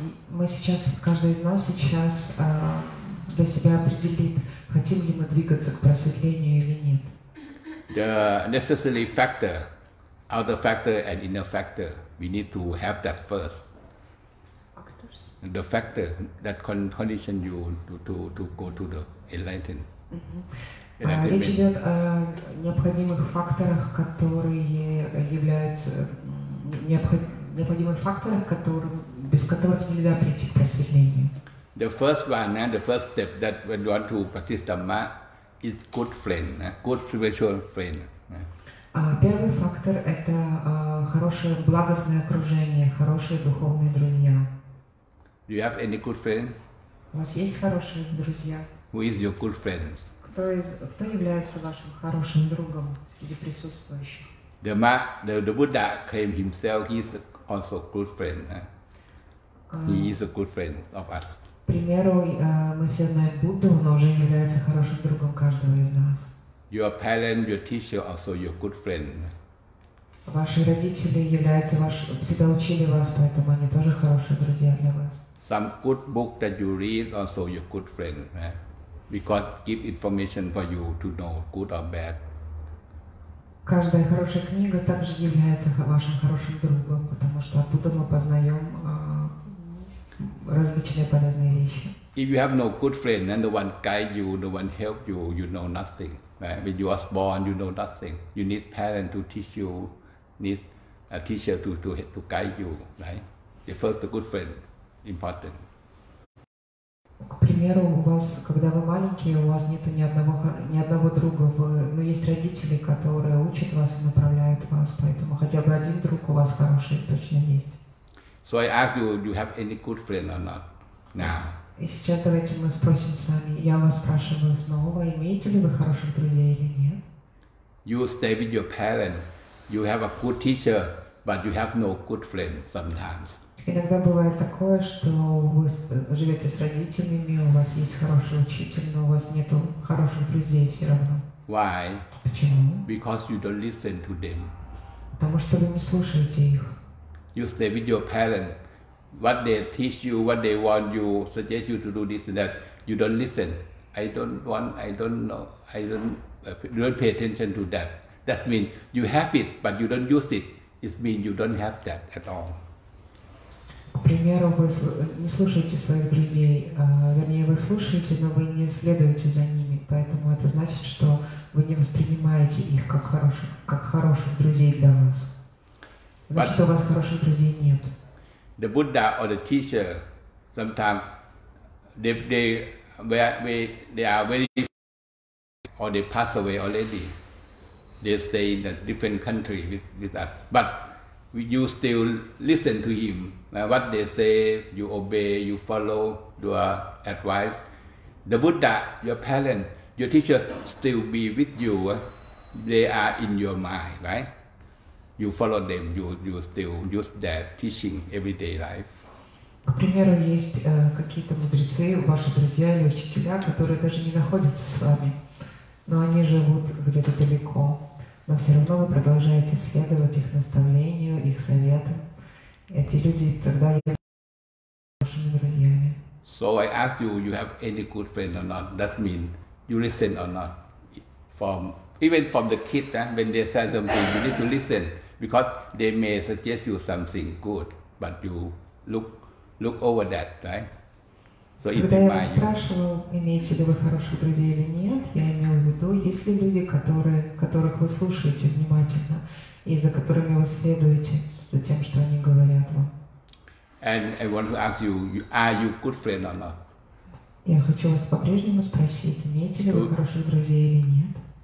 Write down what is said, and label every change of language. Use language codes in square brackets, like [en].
[ru] Мы сейчас, каждый из нас сейчас для себя определит, хотим ли мы двигаться к просветлению или нет. [en] The necessary factor, outer factor and inner factor, we need to have that first. Factors. The factor that condition you to go to the enlightenment. Mm-hmm. [ru] Речь идет о необходимых факторах, которые являются необходимых факторах, без которых нельзя прийти к просветлению. [en] The first one, the first step that when you want to practice Dhamma, is good friend, good spiritual friend. [ru] Первый фактор – это хорошее благостное окружение, хорошие духовные друзья. [en] Do you have any good friend? [ru] У вас есть хорошие друзья? [en] Who is your good friend? [ru] Кто является вашим хорошим другом среди присутствующих? [en] The Buddha claimed himself, he is also good friend. He is a good friend of us. [ru] К примеру, мы все знаем Будду, он уже является хорошим другом каждого из нас. [en] Your parent, your teacher also your good friend. [ru] Ваши родители являются всегда учили вас, поэтому они тоже хорошие друзья для вас. [en] Some good book that you read also your good friend, because give information for you to know good or bad. [ru] Каждая хорошая книга также является вашим хорошим другом, потому что оттуда мы познаем различные полезные вещи. [en] If you have no good friend, and no one guide you, no one help you, you know nothing. Right? When you are born, you know nothing. You need parent to teach you, need a teacher to guide you. Right? The first good friend important. [ru] К примеру, примеру, у вас, когда вы маленькие, у вас нету ни одного друга, но есть родители, которые учат вас и направляют вас, поэтому хотя бы один друг у вас хороший точно есть. [en] So I ask you, do you have any good friend or not? Now. [ru] И сейчас давайте мы спросим с вами, я вас спрашиваю снова, имеете ли вы хороших друзей или нет? [en] You stay with your parents, you have a good teacher, but you have no good friend sometimes. [ru] Иногда бывает такое, что вы живете с родителями, у вас есть хороший учитель, но у вас нет хороших друзей все равно. [en] Why? [ru] Почему? [en] Because you don't listen to them. [ru] Потому что вы не слушаете их. [en] You stay with your parents. What they teach you, what they want you, suggest you to do this and that, you don't listen. I don't pay attention to that. That means you have it, but you don't use it. It means you don't have that at all. [ru] К примеру, вы не слушаете своих друзей, вернее, вы слушаете, но вы не следуете за ними, поэтому это значит, что вы не воспринимаете их как хороших друзей для вас. Значит, у вас хороших друзей нет. [en] The Buddha or the teacher, sometimes they are very or they pass away already. They stay in a different country with us, but you still listen to him. What they say, you obey, you follow their advice. The Buddha, your parent, your teacher still be with you. They are in your mind, right? You follow them, you still use their teaching everyday life. [ru] К примеру, есть какие-то мудрецы, ваши друзья или учителя, которые даже не находятся с вами, но они живут где-то далеко. Но все равно вы продолжаете следовать их наставлению, их советам. Эти люди тогда являются вашими друзьями. [en] So I ask you, you have any good friend or not? That means you listen or not? Even from the kid, when they say something, you need to listen because they may suggest you something good, but you look over that, right? So it's in mind. [ru] Когда я спрашиваю, имеете ли вы хороших друзей или нет, я имею в виду, есть ли люди, которых вы слушаете внимательно и за которыми вы следуете за тем, что они говорят вам. [en] And I want to ask you, are you good friend or not? [ru] Я хочу вас по-прежнему спросить, имеете ли вы хороших друзей или нет?